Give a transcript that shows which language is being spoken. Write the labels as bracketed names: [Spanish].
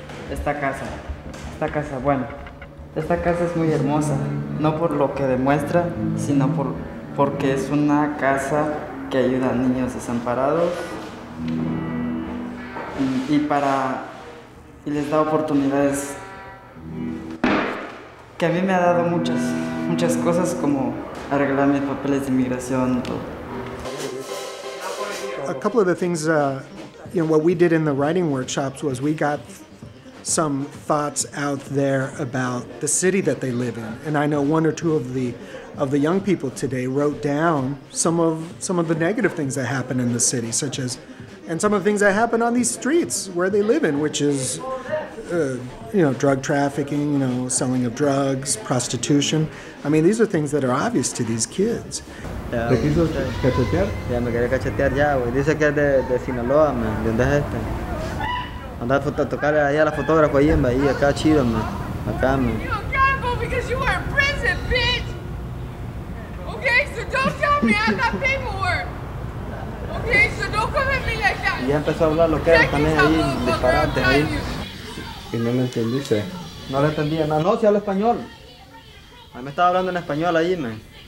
[Spanish] Esta casa es muy hermosa, no por lo que demuestra, sino porque es una casa que ayuda a niños desamparados y les da oportunidades que a mí me ha dado muchas cosas, como arreglar mis papeles de inmigración y todo. [English] A couple of the things, you know, what we did in the writing workshops was we got some thoughts out there about the city that they live in. And I know one or two of the young people today wrote down some of the negative things that happen in the city, such as, and some of the things that happen on these streets where they live in, which is, drug trafficking, seling of drugs, prostitution. I mean, these are things that are obvious to these kids. [Spanish] ¿Te quiso cachetear? Ya, me quería cachetear ya, güey. Dice que es de Sinaloa, man. ¿De dónde es este? Andar a tocar ahí a la fotógrafa ahí en Bahía. Acá chido, man. Acá, man. [English] You don't gotta go because you are in prison, bitch! Okay, so don't tell me I got paperwork. Okay, so don't come at me like that. [Spanish] Y ya empezó a hablar lo que era también ahí, disparate ahí. Y no me entendiste. No le entendía nada. No, si habla español. A mí me estaba hablando en español ahí, man.